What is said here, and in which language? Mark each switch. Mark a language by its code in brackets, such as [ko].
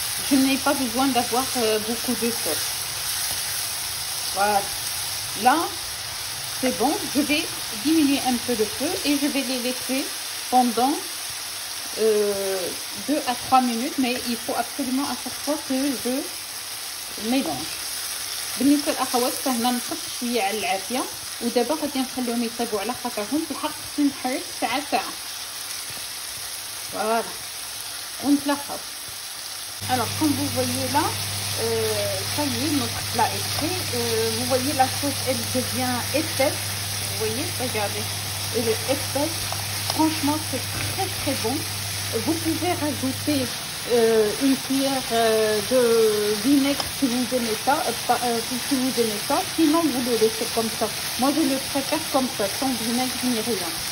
[fr] Je n'ai pas besoin d'avoir beaucoup de sauce. Voilà. Là, c'est bon. Je vais diminuer un peu le feu et je vais les laisser pendant 2 à 3 minutes. Mais il faut absolument à chaque fois que je mélange. [ar] بالنسبة للأخوات فهنا نحط شوية على العافية ودابا غادي نخليهم يطيبوا على خاطرهم بحق تنحرق ساعة ساعة فوالا ونتلخص [fr] alors comme vous voyez là ça y est, notre plat est prêt. Vous voyez, la sauce, elle devient épaisse. Vous voyez, regardez, elle est épaisse. Franchement, c'est très très bon. Vous pouvez rajouter une cuillère de vinaigre si vous aimez ça, si vous aimez ça. Sinon, vous le laissez comme ça. Moi, je le préfère comme ça, sans vinaigre ni rien.